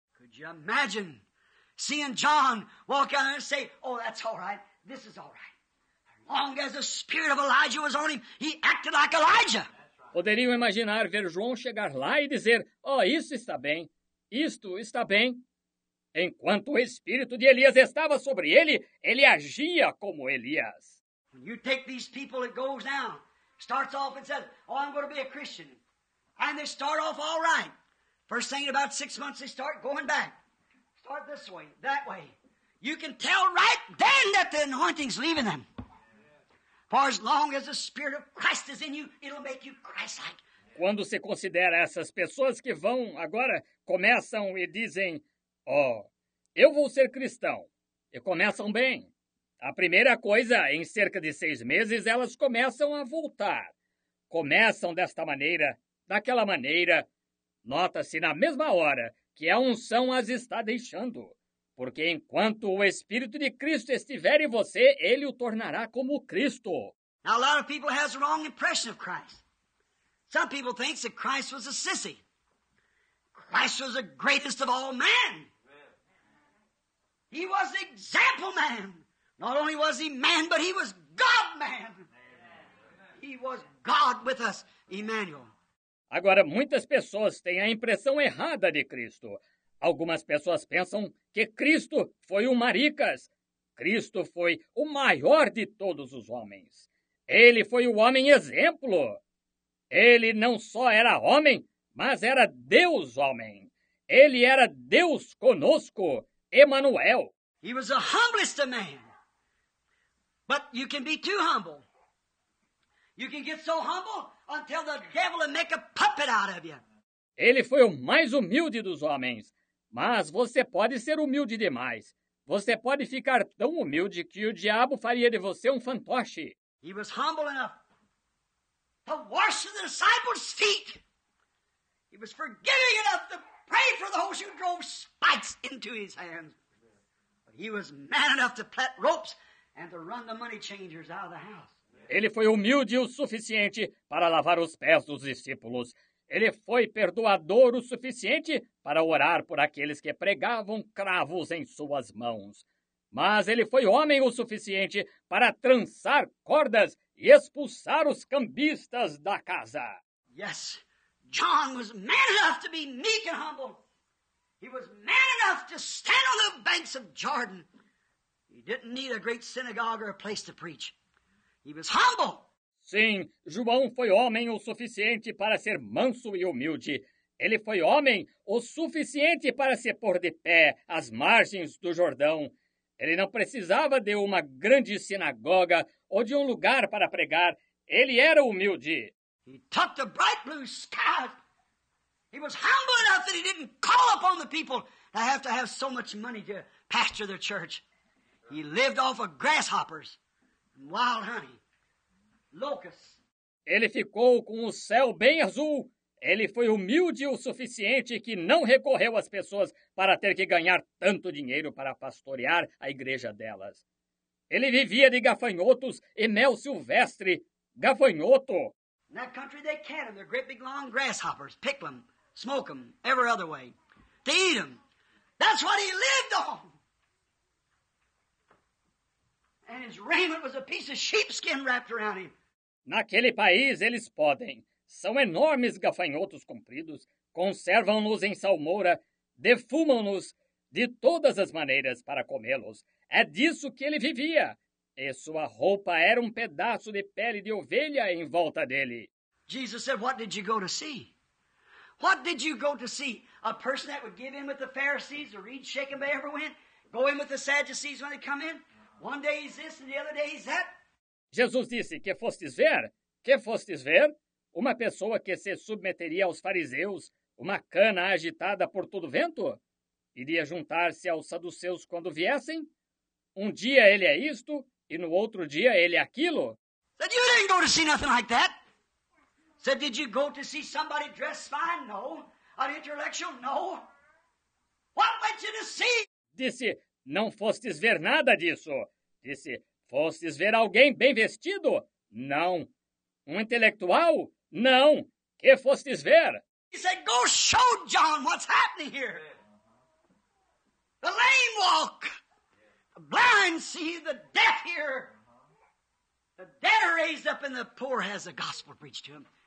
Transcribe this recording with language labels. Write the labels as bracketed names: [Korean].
[English] Could you imagine seeing John walk out and say, oh, that's all right. This is all right. As long as the spirit of Elijah was on him, he acted like Elijah. [Portuguese] Poderiam imaginar ver João chegar lá e dizer, oh, isso está bem. Isto está bem. Enquanto o espírito de Elias estava sobre ele, ele agia como Elias. [English] When you take these people, it goes down. Starts off and says, oh, I'm going to be a Christian. And they start off all right. First thing in about 6 months, they start going back. Or this way, that way. You can tell right then that the anointing's leaving them. For as long as the Spirit of Christ is in you, it'll make you Christ-like. [Portuguese] Quando se considera essas pessoas que vão agora, começam e dizem, oh, eu vou ser cristão. E começam bem. A primeira coisa, em cerca de 6 meses, elas começam a voltar. Começam desta maneira, daquela maneira. Nota-se na mesma hora que a unção as está deixando. Porque enquanto o Espírito de Cristo estiver em você, ele o tornará como Cristo. [English] Now, a lot of people have the wrong impression of Christ. Some people think that Christ was a sissy. Christ was the greatest of all men. He was the example man. Not only was he man, but he was God man. He was God with us, Emmanuel. [Portuguese] Agora, muitas pessoas têm a impressão errada de Cristo. Algumas pessoas pensam que Cristo foi o Maricas. Cristo foi o maior de todos os homens. Ele foi o homem exemplo. Ele não só era homem, mas era Deus homem. Ele era Deus conosco, Emmanuel. [English] He was the humblest of men. But you can be too humble. You can get so humble until the devil will make a puppet out of you. [Portuguese] Ele foi o mais humilde dos homens. Mas você pode ser humilde demais. Você pode ficar tão humilde que o diabo faria de você um fantoche. [English] He was humble enough to wash the disciples' feet. He was forgiving enough to pray for those who drove spikes into his hands. But he was man enough to plait ropes and to run the money changers out of the house. [Portuguese] Ele foi humilde o suficiente para lavar os pés dos discípulos. Ele foi perdoador o suficiente para orar por aqueles que pregavam cravos em suas mãos. Mas ele foi homem o suficiente para trançar cordas e expulsar os cambistas da casa. [English] Yes, John was man enough to be meek and humble. He was man enough to stand on the banks of Jordan. He didn't need a great synagogue or a place to preach. He was humble. [Portuguese] Sim, João foi homem o suficiente para ser manso e humilde. Ele foi homem o suficiente para se pôr de pé às margens do Jordão. Ele não precisava de uma grande sinagoga ou de um lugar para pregar. Ele era humilde. [English] He touched the bright blue sky. He was humble enough that he didn't call upon the people to have so much money to pasture their church. He lived off of grasshoppers and wild honey, locusts. [Portuguese] Ele ficou com o céu bem azul. Ele foi humilde o suficiente que não recorreu às pessoas para ter que ganhar tanto dinheiro para pastorear a igreja delas. Ele vivia de gafanhotos e mel silvestre. Gafanhoto! [English] Na country they catch them. They're great big long grasshoppers. Pick them, smoke them, every other way. They eat them. That's what he lived on. And his raiment was a piece of sheepskin wrapped around him. [Portuguese] Naquele país eles podem. São enormes gafanhotos compridos, conservam-nos em salmoura, defumam-nos de todas as maneiras para comê-los. É disso que ele vivia. E sua roupa era um pedaço de pele de ovelha em volta dele. [English] Jesus said, what did you go to see? What did you go to see? A person that would give in with the Pharisees, the reed shaken by every wind, go in with the Sadducees when they come in? One day he's this and the other day he's that? [Portuguese] Jesus disse, que fostes ver? Que fostes ver? Uma pessoa que se submeteria aos fariseus, uma cana agitada por todo vento? Iria juntar-se aos saduceus quando viessem? Um dia ele é isto, e no outro dia ele é aquilo? [English] Said, you didn't go to see nothing like that. Said, did you go to see somebody dressed fine? No. An intellectual? No. What went you to see? [Portuguese] Disse, não fostes ver nada disso. Disse, fostes ver alguém bem vestido? Não. Um intelectual? Não. Que fostes ver? [English] He said, go show John what's happening here. The lame walk. The blind see, the deaf hear. The dead are raised up and the poor has the gospel preached to him.